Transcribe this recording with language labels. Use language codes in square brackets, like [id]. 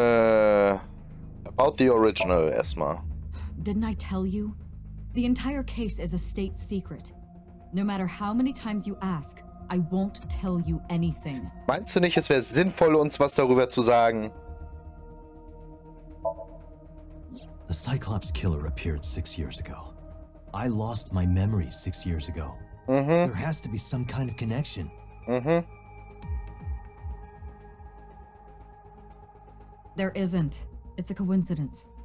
[en] About the original, erstmal. Didn't I tell you? The entire case is a state secret. No matter how many times you ask, I won't tell you anything. [de] Meinst du nicht, es wäre sinnvoll, uns was darüber zu sagen? [en] The Cyclops killer appeared 6 years ago. I lost my memory 6 years ago. Mm-hmm. There has to be some kind of connection. Mm-hmm. There isn't. It's a coincidence.